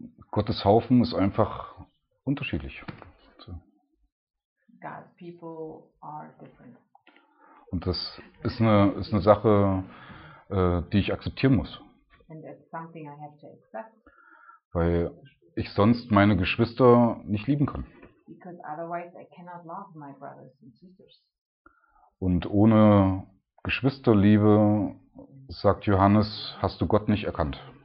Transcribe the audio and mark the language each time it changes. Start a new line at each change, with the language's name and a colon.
German: Gottes Haufen ist einfach unterschiedlich. So.
English: God's people are different.
German: Und das ist eine Sache, die ich akzeptieren muss.
English: And that's something I have to accept.
German: Weil ich sonst meine Geschwister nicht lieben kann.
English: Because otherwise I cannot love my brothers and sisters.
German: Und ohne Geschwisterliebe, sagt Johannes, hast du Gott nicht erkannt.